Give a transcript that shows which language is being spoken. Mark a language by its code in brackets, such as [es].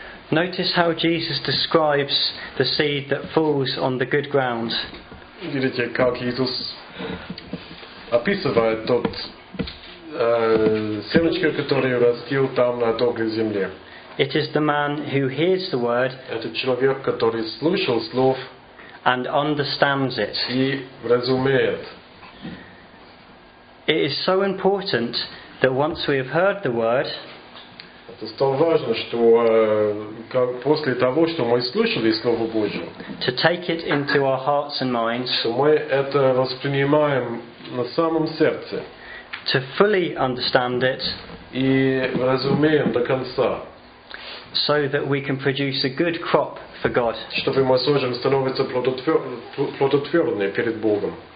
[en] Notice how Jesus describes the seed that falls on the good ground. [ru] Видите, как Иисус описывает тот семечко, которое растет там на доброй земле. [en] It is the man who hears the word. [ru] Это человек, который слышал слов. [en] And understands it. [ru] И разумеет. [en] It is so important that once we have heard the word. [ru] Это столь важно, что после того, что мы слышали слово Божье. [en] To take it into our hearts and minds. [ru] Что мы это воспринимаем на самом сердце. [en] To fully understand it, [ru] и разумеем до конца, [en] so that we can produce a good crop for God. [ru] Чтобы мы сможем становиться плодотворными перед Богом.